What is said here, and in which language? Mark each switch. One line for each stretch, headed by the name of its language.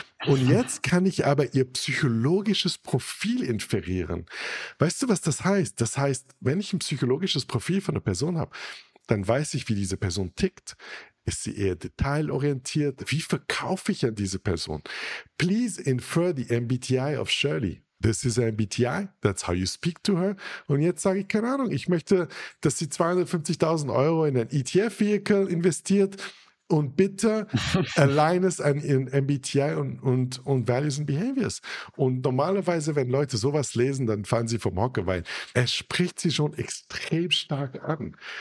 German: Und jetzt kann ich aber ihr psychologisches Profil inferieren. Weißt du, was das heißt? Das heißt, wenn ich ein psychologisches Profil von einer Person habe, dann weiß ich, wie diese Person tickt. Ist sie eher detailorientiert? Wie verkaufe ich an diese Person?
English: Please infer the MBTI of Shirley. This is MBTI, that's how you speak to her.
German: Und jetzt sage ich, keine Ahnung, ich möchte, dass sie 250.000 Euro in ein ETF-Vehicle investiert und bitte align es an ihren MBTI und
English: Values and Behaviors.
German: Und normalerweise, wenn Leute sowas lesen, dann fahren sie vom Hocker, weil er spricht sie schon extrem stark an.